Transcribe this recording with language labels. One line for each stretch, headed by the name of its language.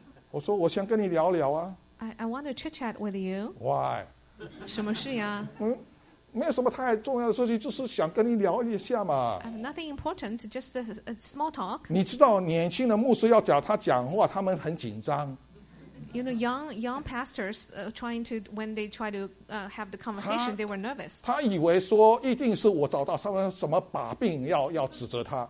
Chinese: 我说我想跟你聊聊啊。
English: I want to chit chat with you. Why?
Chinese: 什么事呀？没有什么太重要的事情，就是想跟你聊一下嘛。
English: Nothing important, just a small talk.
Chinese: 你知道年轻的牧师要找他讲话，他们很紧张。
English: You know, young pastors trying to when they try to have the conversation, they were nervous.
Chinese: 他以为说一定是我找到什么把柄要指责他。